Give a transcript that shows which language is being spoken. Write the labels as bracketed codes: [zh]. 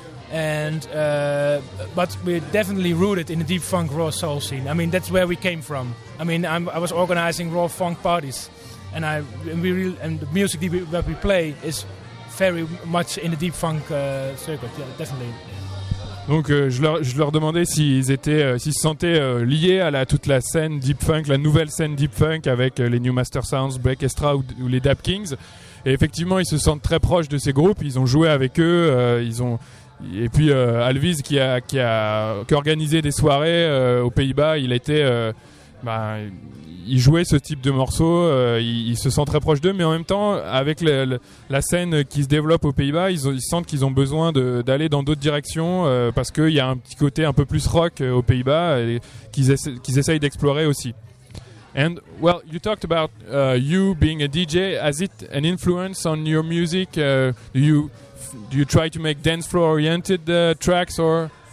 [en] And but we're definitely rooted in the deep funk raw soul scene. I mean, that's where we came from. I mean, I was organizing raw funk parties, and the music that we play is very much in the deep funk circuit. Yeah, definitely. [fr] Donc je leur demandais s'ils se sentaient liés à toute la scène deep funk, la nouvelle scène deep funk avec les New Master Sounds, Breakestra ou les Dap Kings. Et effectivement, ils se sentent très proches de ces groupes. Ils ont joué avec eux. Et puis Alviz qui a organisé des soirées aux Pays-Bas, il était, il jouait ce type de morceaux. Il se sent très proche d'eux, mais en même temps, avec la scène qui se développe aux Pays-Bas, ils sentent qu'ils ont besoin d'aller dans d'autres directions parce qu'il y a un petit côté un peu plus rock aux Pays-Bas et qu'ils essayent d'explorer aussi. [en] And well, you talked about you being a DJ. Has it an influence on your music? Do you try to make dance floor oriented tracks or?